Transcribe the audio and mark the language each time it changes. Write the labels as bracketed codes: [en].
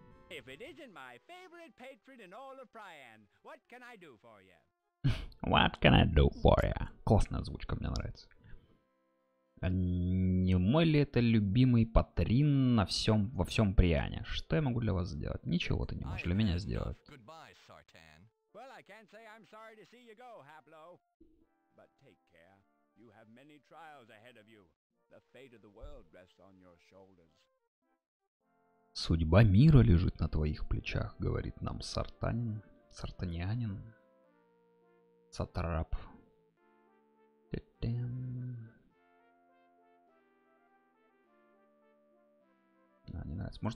[en] If it isn't my favorite patron in all of Priam, what can I do for you? What can I do for you? [ru] Классная озвучка, мне нравится. А не мой ли это любимый Патрин на всем, во всем Приане? Что я могу для вас сделать? Ничего ты не можешь для меня сделать. [en] Goodbye, Sartan. Well, I can't say I'm sorry to see you go, Haplo. But take care. You have many trials ahead of you. The fate of the world rests on your shoulders. [ru] Судьба мира лежит на твоих плечах, говорит нам Сартанин. Сартанианин. Сатрап. А, не нравится.